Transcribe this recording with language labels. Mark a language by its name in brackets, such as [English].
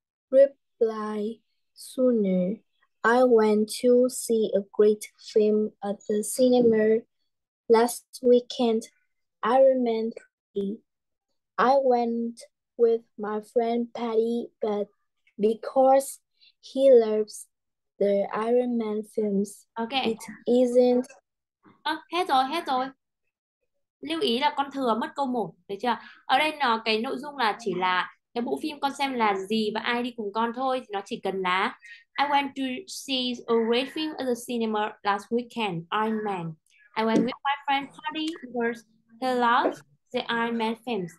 [English] Reply sooner. I went to see a great film at the cinema last weekend. Iron Man 3. I went with my friend Patty, but because he loves the Iron Man films, Okay. it isn't. [Vietnamese] Hết rồi, hết rồi. Lưu ý là con thừa mất câu 1, được chưa? Ở đây nó cái nội dung là chỉ là cái bộ phim con xem là gì và ai đi cùng con thôi, thì nó chỉ cần là [English] I went to see a great film at the cinema last weekend, Iron Man. I went with my friend Patty because he loves the Iron Man films.